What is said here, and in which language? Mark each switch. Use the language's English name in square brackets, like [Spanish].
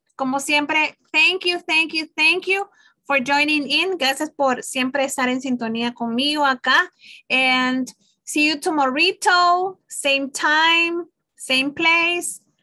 [Spanish] Como siempre, [English] thank you, thank you, thank you. For joining in, [Spanish] gracias por siempre estar en sintonía conmigo acá. [English] And see you tomorrito, same time, same place.